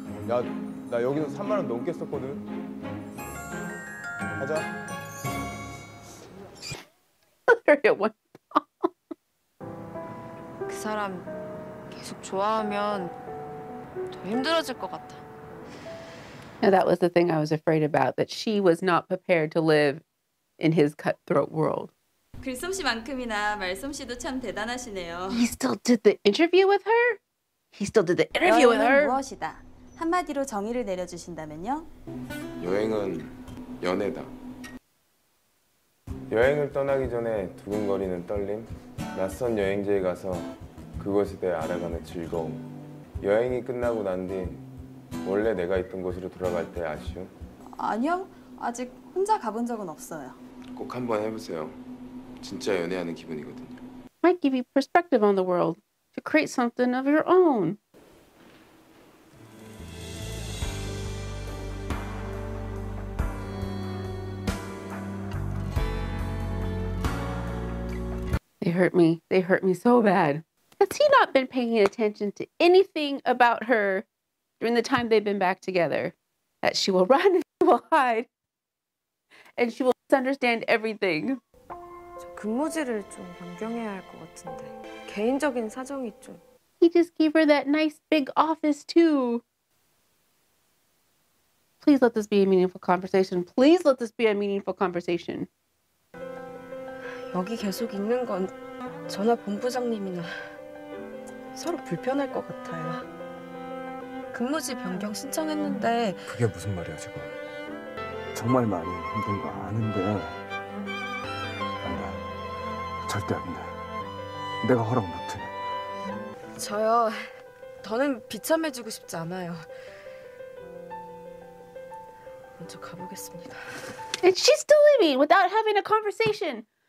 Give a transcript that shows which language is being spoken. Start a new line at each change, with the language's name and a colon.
Korean: 야, 나 여기서 3만 원 넘게 썼거든. 가자.
English: There it was.
Korean: 그 사람 계속 좋아하면 더 힘들어질 것 같아.
English: Now that was the thing I was afraid about, that she was not prepared to live in his cutthroat world.
Korean: 글솜씨만큼이나 말솜씨도 참 대단하시네요.
English: He still did the interview with her? He still did the interview with her.
Korean: 여행은 무엇이다? 한마디로 정의를 내려주신다면요? 여행은 연애다. 여행을 떠나기 전에 두근거리는 떨림, 낯선 여행지에 가서 그곳에 대해 알아가는 즐거움, 여행이 끝나고 난 뒤 원래 내가 있던 곳으로 돌아갈 때 아쉬움. 아니요, 아직 혼자 가본 적은 없어요. 꼭 한번 해보세요. 진짜 연애하는 기분이거든요.
English: Might give you perspective on the world. To create something of your own. They hurt me. They hurt me so bad. Has he not been paying attention to anything about her during the time they've been back together? That she will run and she will hide. And she will misunderstand everything.
Korean: 근무지를 좀 변경해야 할 것 같은데. 개인적인 사정이 있죠.
English: He just gave her that nice big office too. Please let this be a meaningful conversation. Please let this be a meaningful conversation.
Korean: 여기 계속 있는 건 전화 본부장님이나 서로 불편할 것 같아요. 근무지 변경 신청했는데 그게 무슨 말이야 지금. 정말 많이 힘든 거 아는데 안 돼. 절대 안 돼. 내가 허락 못해. 저요. 더는 비참해지고 싶지 않아요. 먼저 가보겠습니다.
English: And she's still leaving without having a conversation.